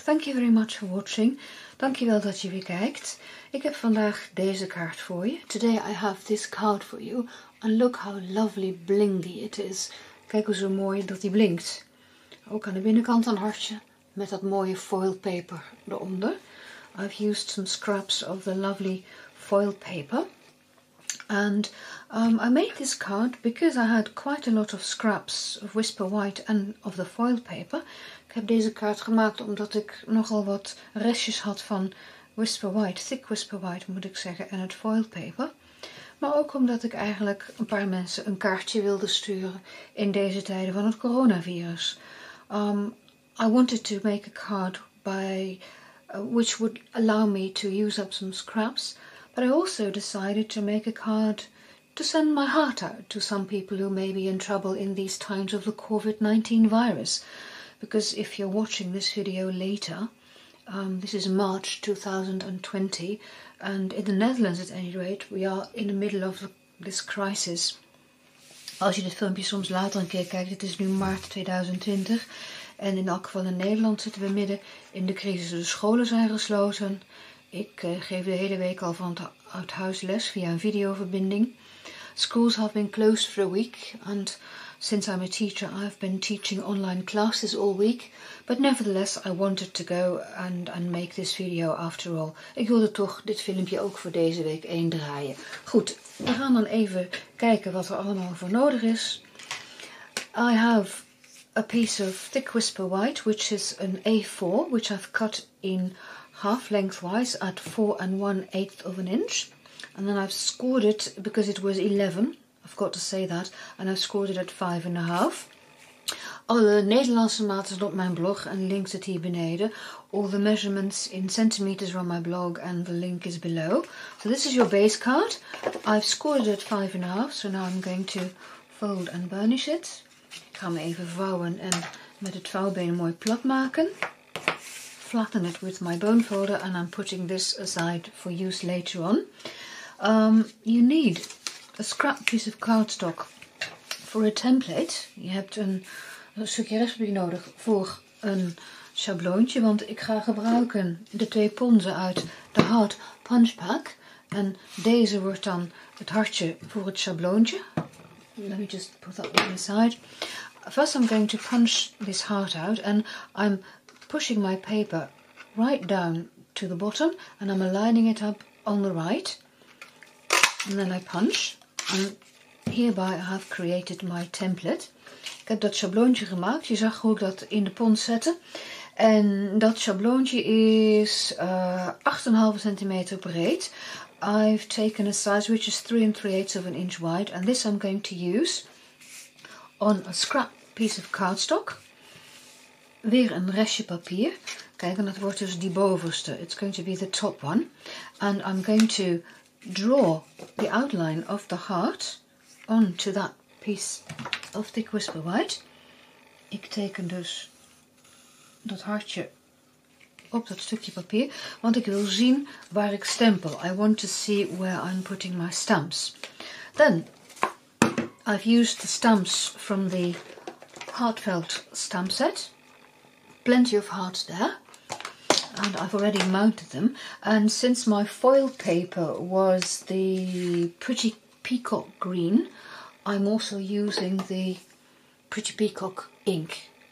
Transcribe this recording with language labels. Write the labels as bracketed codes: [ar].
[en] Thank you very much for watching. [nl] Dank je wel dat je weer kijkt. Ik heb vandaag deze kaart voor je. [en] Today I have this card for you. And look how lovely blingy it is. [nl] Kijk hoe zo mooi dat die blinkt. Ook aan de binnenkant een hartje met dat mooie foil paper eronder. [en] I've used some scraps of the lovely foil paper. And I made this card because I had quite a lot of scraps of Whisper White and of the foil paper. Ik heb deze kaart gemaakt omdat ik nogal wat restjes had van Whisper White, thick Whisper White moet ik zeggen, en het foil paper. Maar ook omdat ik eigenlijk een paar mensen een kaartje wilde sturen in deze tijden van het coronavirus. I wanted to make a card which would allow me to use up some scraps. But I also decided to make a card to send my heart out to some people who may be in trouble in these times of the COVID-19 virus. Because if you're watching this video later, this is March 2020, and in the Netherlands at any rate, we are in the middle of this crisis. [nl] Als je dit filmpje soms later een keer kijkt, het is nu maart 2020. En in elk geval in Nederland zitten we midden in de crisis. De scholen zijn gesloten. Ik geef de hele week al van uit huis les via een videoverbinding. [en] Schools have been closed for a week. And since I'm a teacher, I've been teaching online classes all week. But nevertheless, I wanted to go and make this video after all. [nl] Ik wilde toch dit filmpje ook voor deze week één draaien. Goed, we gaan dan even kijken wat er allemaal voor nodig is. [en] I have a piece of thick Whisper White, which is an A4, which I've cut in half lengthwise at 4 1/8 inches. And then I've scored it because it was 11. I've got to say that. And I've scored it at 5.5. [nl] Alle Nederlandse maten zijn op mijn blog en link zit hier beneden. [en] All the measurements in centimeters are on my blog and the link is below. So this is your base card. I've scored it at 5.5. So now I'm going to fold and burnish it. [nl] Ik ga me even vouwen en met het vouwbeen mooi plat maken. [en] Flatten it with my bone folder and I'm putting this aside for use later on. You need a scrap piece of cardstock for a template. [nl] Je hebt een stukje restpapier nodig voor een schabloontje, want ik ga gebruiken de twee ponzen uit de Heart Punch Pack. En deze wordt dan het hartje voor het schabloontje. [en] Let me just put that one aside. First I'm going to punch this heart out and I'm pushing my paper right down to the bottom and I'm aligning it up on the right. And then I punch and hereby I have created my template. [nl] Ik heb dat schabloontje gemaakt. Je zag hoe ik dat in de pond zette. En dat schabloontje is 8,5 centimeter breed. [en] I've taken a size which is 3 3/8 inch wide. And this I'm going to use on a scrap piece of cardstock. [nl] Weer een restje papier. Kijk, en dat wordt dus die bovenste. [en] It's going to be the top one. And I'm going to draw the outline of the heart onto that piece of thick Whisper White. [nl] Ik teken dus dat hartje op dat stukje papier, want ik wil zien waar ik stempel. [en] I want to see where I'm putting my stamps. Then I've used the stamps from the Heartfelt stamp set. Plenty of hearts there. And I've already mounted them. And since my foil paper was the Pretty Peacock Green, I'm also using the Pretty Peacock ink.